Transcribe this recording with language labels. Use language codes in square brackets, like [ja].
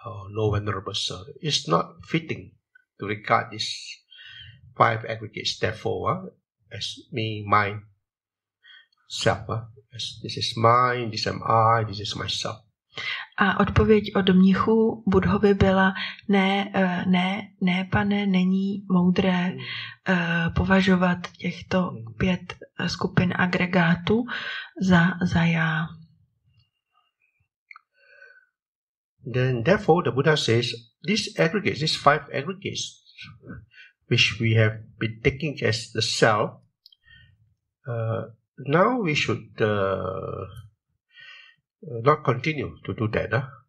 [en] No venerable sir, it's not fitting to regard these five aggregates, therefore, as me, mine, self, as this is mine, this am I, this is myself. [cs] A odpověď od mnichu Budhovi byla, ne, pane, není moudré považovat těchto pět skupin agregátů za já. [en] Then, therefore, the Buddha says, these aggregates, these five aggregates, which we have been taking as the self, now we should not continue to do that.